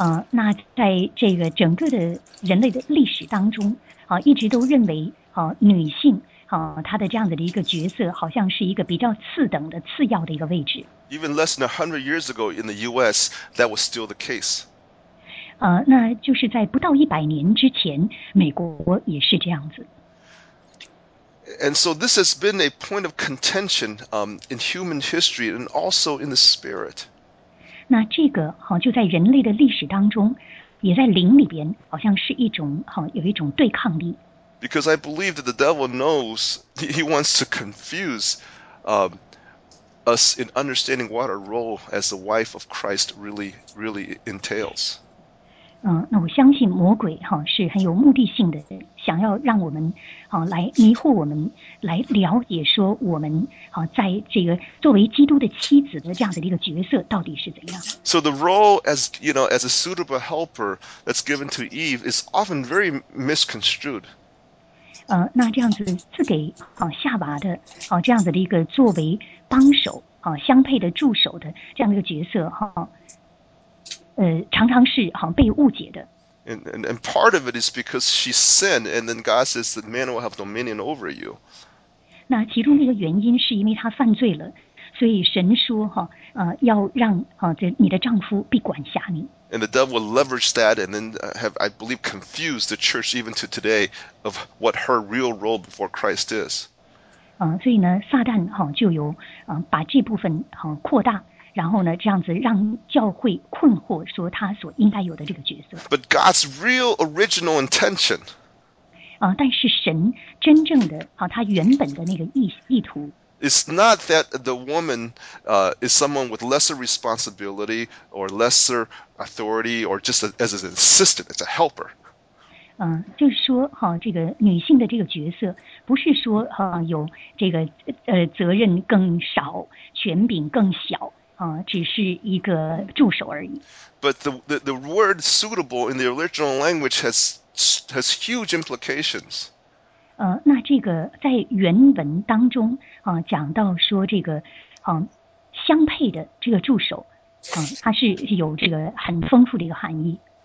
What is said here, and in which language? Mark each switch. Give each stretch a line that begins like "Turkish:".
Chinese: 那在这个整个的人类的历史当中，啊、一直都认为，啊、女性，啊、她的这样子的一个角色，好像是一个比较次等的、次要的一个位置。
English: Even less than 100 years ago in the U.S., that was still the case.
Chinese: 那就是在不到100年之前，美国也是这样子。
English: And so this has been a point of contention, in human history and also in the spirit.
Chinese: 那这个好、就在人类的历史当中，也在灵里边，好像是一种好、有一种对抗力。
English: Because I believe that the devil knows he wants to confuse, us in understanding what our role as the wife of Christ really, really entails.
Chinese: 那我相信魔鬼哈、是很有目的性的，想要让我们好、来迷惑我们，来了解说我们好、在这个作为基督的妻子的这样的一个角色到底是怎样。
English: So the role as, you know, as a suitable helper that's given to Eve is often very misconstrued.
Chinese: 那这样子赐给好、夏娃的好、这样子的一个作为帮手相配的助手的这样的一个角色哈，常常是好被误解的。
English: And part of it is because she sinned, and then God says that man will have dominion over you.
Chinese: 那其中一个原因是因为她犯罪了，所以神说哈，要让哈这你的丈夫必管辖你。
English: And the devil will leverage that, and then have I believe confused the church even to today of what her real role before Christ is.
Chinese: 所以呢，撒旦哈就有把这部分哈扩大。然后呢，这样子让教会困惑，说他所应该有的这个角色。
English: But God's real original intention.
Chinese: 但是神真正的他原本的那个意图。
English: It's not that the woman is someone with lesser responsibility or lesser authority or just as an assistant, as a helper.
Chinese: 就是说这个女性的这个角色不是说有这个责任更少，权柄更小。只是一个助手而已。
English: But the word suitable in the original language has huge implications.
Chinese: 那这个在原文当中讲到说这个相配的这个助手它是有这个很丰富的一个含义。